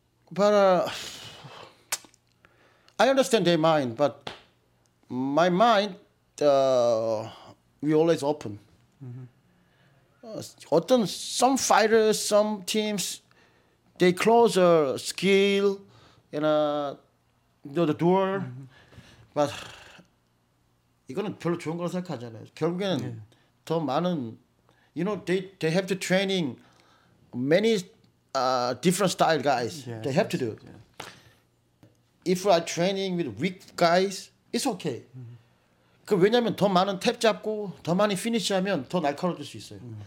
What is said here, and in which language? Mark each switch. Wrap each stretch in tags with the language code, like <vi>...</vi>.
<en>But I understand their mind, but my mind, we always open. Often some fighters, some teams, they close a skill, the door.</en> <ko>But 이거는 별로 좋은 걸 생각하잖아요. 결국에는 더 많은,</ko> <en>you know, they have to training many different style guys. Yeah, they have to do. Yeah. If we are training with weak guys, it's okay.</en> <ko>그 왜냐면 더 많은 탭 잡고 더 많이 피니시하면 더 날카로워질 수 있어요.</ko>